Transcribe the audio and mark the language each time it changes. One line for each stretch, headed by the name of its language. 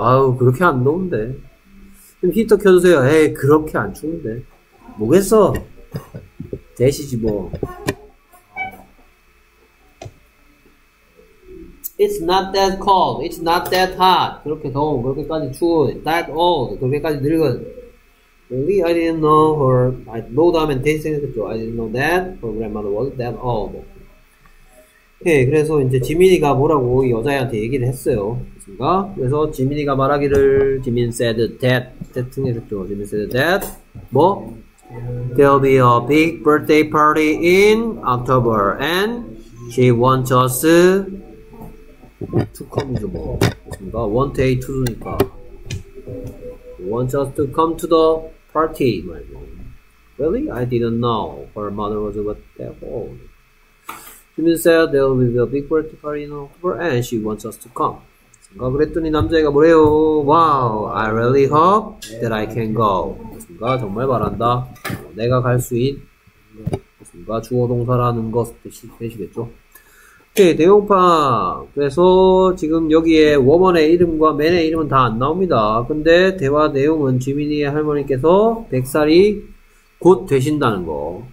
Korean: 아우, 그렇게 안 더운데. 그럼 히터 켜주세요. 에이, 그렇게 안 추운데. 뭐겠어? 대시지, 뭐.
English: It's not that cold. It's not that hot.
Korean: 그렇게 더운, 그렇게까지 추운.
English: That old. 그렇게까지 늙은. Really? I didn't know her. I know that. I didn't know that her grandmother was that old.
Korean: Okay, 그래서 이제 지민이가 뭐라고 이 여자애한테 얘기를 했어요. 그렇습니까? 그래서 지민이가 말하기를, 지민 said that. That 했죠. 지민 said that. 뭐?
English: There'll be a big birthday party in October and she wants us to come 죠 뭐. 그렇습니까? Want a to니까. Want us to come to the party. Really? I didn't know her mother was about that old. Jimin said there will be a big birthday party in October and she wants us to come.
Korean: 그렇습니까? 그랬더니 남자애가 뭐래요?
English: Wow, I really hope that I can go.
Korean: 그렇습니까? 정말 바란다. 내가 갈 수 있. 그렇습니까? 주어동사라는 것 되시겠죠? 오케이, 대용팡. 그래서 지금 여기에 워먼의 이름과 맨의 이름은 다 안 나옵니다. 근데 대화 내용은 지민이의 할머니께서 100살이 곧 되신다는 거.